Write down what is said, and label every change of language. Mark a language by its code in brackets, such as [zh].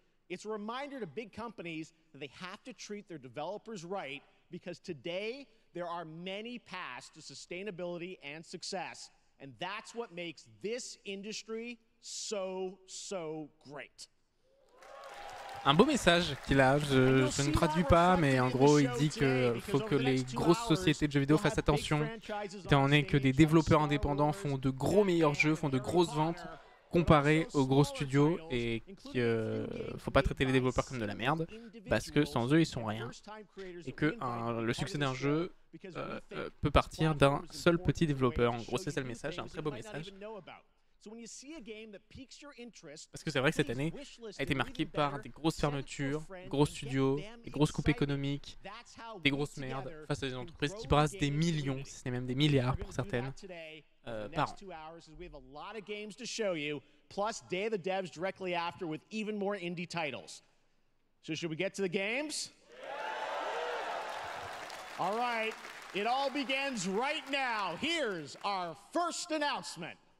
[en] It's a reminder to big companies that they have to treat their developers right because today there are many paths to sustainability and success. And that's what makes this industry so, so great. [fr] Un beau message qu'il a, je ne traduis pas, mais en gros il dit que faut que les grosses sociétés de jeux vidéo fassent attention, étant donné que des développeurs indépendants font de gros meilleurs jeux, font de grosses ventes comparés aux gros studios, et qu'il faut pas traiter les développeurs comme de la merde, parce que sans eux ils sont rien, et que le succès d'un jeu peut partir d'un seul petit développeur. En gros, c'est ça le message, un très beau message. Parce que c'est vrai que cette année a été marquée par des grosses fermetures, gros studios, des grosses coupes économiques, des grosses merdes face à des entreprises qui brassent des millions, si ce n'est même des milliards pour certaines, par an. [en] We have a lot of games to show you, plus Day of the Devs directly after with even more indie titles. So should we get to the games? All right, it all begins right now. Here's our first announcement.